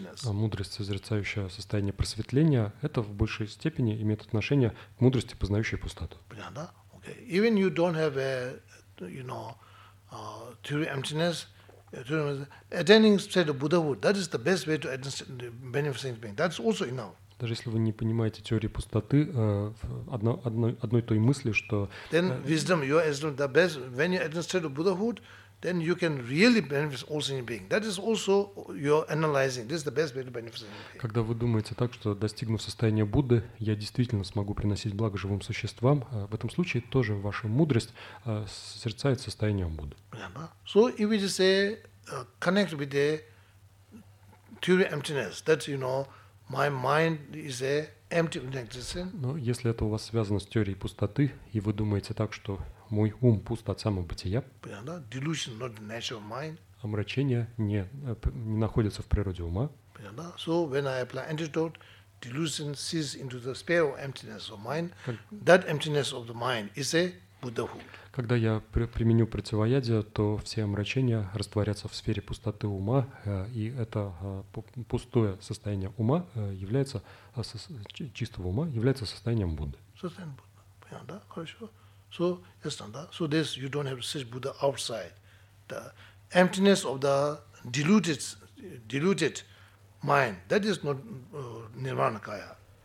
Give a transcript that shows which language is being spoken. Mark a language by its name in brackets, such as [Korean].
[Russian] мудрость, созерцающая состояние просветления, это в большей степени имеет отношение к мудрости, познающей пустоту. Понятно? Okay. [English] Even you don't have a, theory emptiness, attaining state of Buddhahood, that is the best way to attain beneficent being. That's also enough. [Russian] Даже если вы не понимаете теории пустоты, одной той мысли, что... [English] Then wisdom, your wisdom, the best, when you attain state of Buddhahood, then you can really benefit all sentient being. That is also your analyzing. This is the best way to benefit sentient being. [Russian] Когда вы думаете так, что достигнув состояния Будды, я действительно смогу приносить благо живым существам, в этом случае тоже ваша мудрость созерцает состояние Будды. [English] So if we just say connect with the pure emptiness. That you know, my mind is a empty existence. [Russian] Но если это у вас связано с теорией пустоты и вы думаете так, что мой ум пуст от самого бытия. [English] Delusion, not the natural mind. [Russian] Омрачение не находится в природе ума. [English] So when I apply antidote, delusion sees into the sphere of emptiness of mind. That emptiness of the mind is a Buddhahood. [Russian] Когда я применю противоядие, то все омрачения растворятся в сфере пустоты ума, и это пустое состояние ума является чистого ума является состоянием Будды. Состояние Будды, понятно, да? Хорошо. [English] So, yes, [Russian] да? [English] So this you don't have to search Buddha outside. The emptiness of the deluded mind, that is not Nirvana Kaya.